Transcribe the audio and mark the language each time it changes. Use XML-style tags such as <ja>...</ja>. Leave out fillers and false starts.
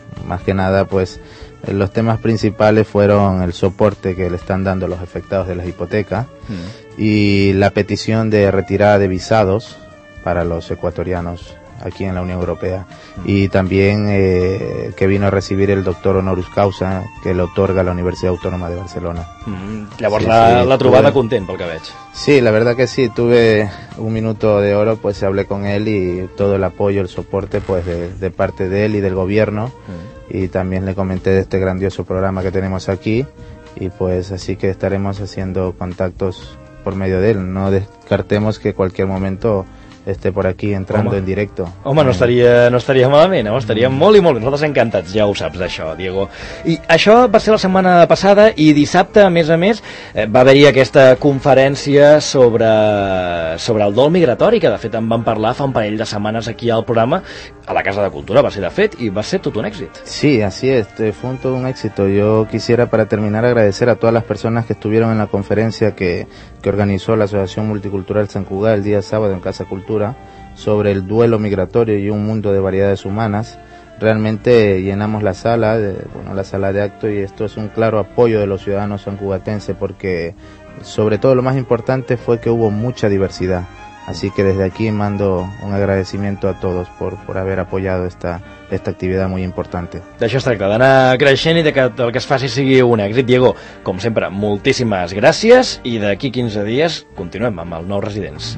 <es>Más que nada, pues, los temas principales fueron el soporte que le están dando los afectados de las hipotecas y la petición de retirada de visados para los ecuatorianos aquí en la Unión Europea. Y también que vino a recibir el doctor honoris causa que le otorga la Universidad Autónoma de Barcelona.</es> <ca>Llavors, sí, la trobada content, pel que veig.</ca> <es>Sí, la verdad que sí, tuve un minuto de oro, pues hablé con él y todo el apoyo, el soporte, pues de parte de él y del gobierno. Y también le comenté de este grandioso programa que tenemos aquí, y pues así que estaremos haciendo contactos por medio de él. No descartemos que cualquier momento esté por aquí entrando, home, en directo.</es> <ca>Home, no estaria malament, no? Estaria molt i molt. Nosaltres encantats, ja ho saps d'això, Diego. I això va ser la setmana passada, i dissabte, a més, va haver-hi aquesta conferència sobre el dol migratori, que de fet en vam parlar fa un parell de setmanes aquí al programa, a la Casa de Cultura, va ser de fet, i va ser tot un èxit.</ca> <es>Sí, así es, fue todo un éxito. Yo quisiera, para terminar, agradecer a todas las personas que estuvieron en la conferencia que organizó la Asociación Multicultural San Cugá el día sábado en Casa Cultura sobre el duelo migratorio y un mundo de variedades humanas. Realmente llenamos la sala, la sala de acto, y esto es un claro apoyo de los ciudadanos sancugatenses, porque sobre todo lo más importante fue que hubo mucha diversidad. Así que desde aquí mando un agradecimiento a todos por haber apoyado esta actividad muy importante.</es> <ca>D'això es tracta, d'anar creixent i que el que es faci sigui un èxit. Diego, com sempre, moltíssimes gràcies, i d'aquí 15 dies continuem amb els nous residents.</ca>